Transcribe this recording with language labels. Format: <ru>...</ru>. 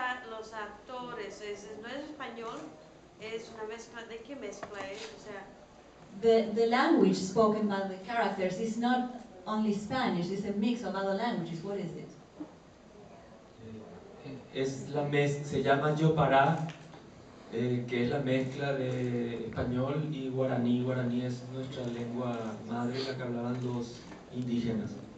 <es>Los actores no es español, es una mezcla de que mezcla,</es> <en>the language spoken by the characters is not only Spanish, it's a mix of other languages. What is it?</en> <es>Es la mez, se llama Yo Pará, que es la mezcla de español y guaraní. Guaraní es nuestra lengua madre, la que hablaban los indígenas.</es>